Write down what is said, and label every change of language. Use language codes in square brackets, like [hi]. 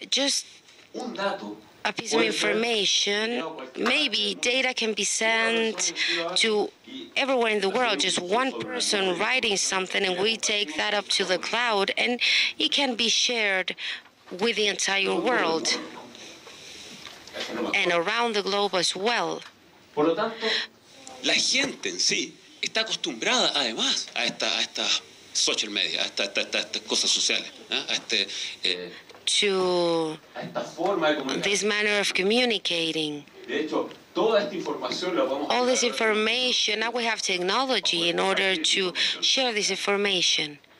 [en] Just a piece of information, maybe data can be sent to everywhere in the world, just one person writing something, and we take that up to the cloud, and it can be shared with the entire world and around the globe as well. [es] La gente en sí está acostumbrada, además, a esta social media, a estas cosas sociales, ¿eh? [en] To this manner of communicating. All this information, now we have technology in order to share this information.